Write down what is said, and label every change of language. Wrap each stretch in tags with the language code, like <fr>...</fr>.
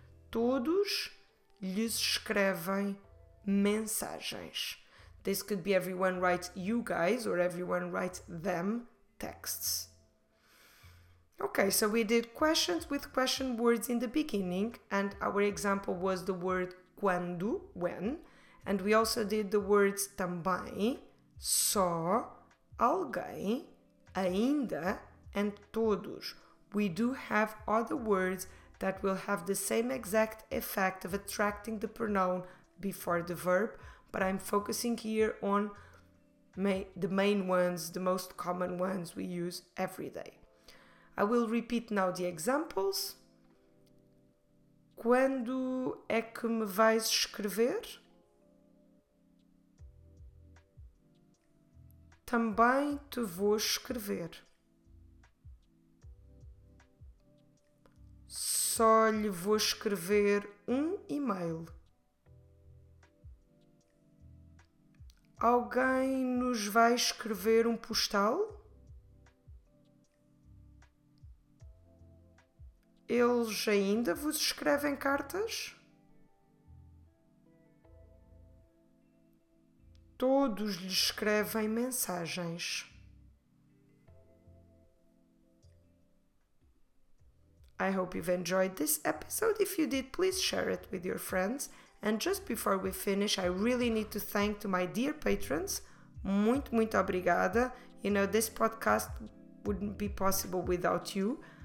<pt>Todos lhes escrevem mensagens.</pt> <en>This could be everyone writes you guys or everyone writes them texts. Okay, so we did questions with question words in the beginning, and our example was the word quando, when, and we also did the words também, só, alguém, ainda, and todos. We do have other words that will have the same exact effect of attracting the pronoun before the verb, but I'm focusing here on the main ones, the most common ones we use every day. I will repeat now the examples.</en> <pt>Quando é que me vais escrever? Também te vou escrever. Só lhe vou escrever um e-mail. Alguém nos vai escrever um postal? Eles ainda vos escrevem cartas? Todos lhes escrevem mensagens.</pt> <en>I hope you've enjoyed this episode. If you did, please share it with your friends. And just before we finish, I really need to thank to my dear patrons.</en> <pt>Muito, muito obrigada.</pt> <en>You know, this podcast wouldn't be possible without you.</en>